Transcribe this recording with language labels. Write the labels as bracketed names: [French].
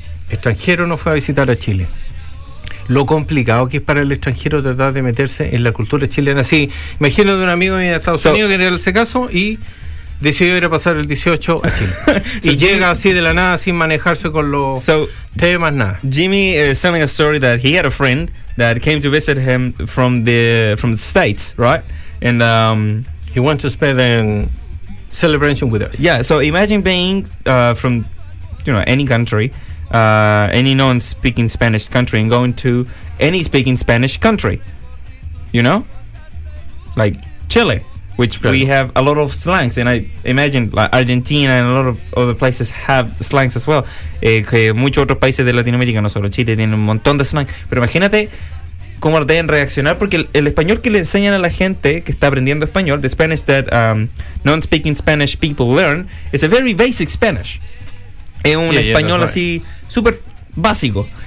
[Spanish] Extranjero nos fue a visitar a Chile. Lo complicado que es para el extranjero tratar de meterse en la cultura chilena. Sí, imagino de un amigo de Estados Unidos que era ese caso y decidió ir a pasar el 18 a Chile. Y llega así de la nada sin manejarse con los temas, nada. [English] Jimmy is telling a story that he had a friend that came to visit him from the States, right? And he wants to spend a celebration with us. Yeah, so imagine being from, you know, any country. Any non-speaking Spanish country and going to any speaking Spanish country, you know, like Chile, which we have a lot of slangs, and I imagine like Argentina and a lot of other places have slangs as well. [Spanish] Que muchos otros países de Latinoamérica, no solo Chile, tienen un montón de slangs. Pero imagínate cómo deben reaccionar, porque el español que le enseñan a la gente que está aprendiendo español, [English] the Spanish that non-speaking Spanish people learn, is a very basic Spanish. [Spanish] Es un español así, súper básico.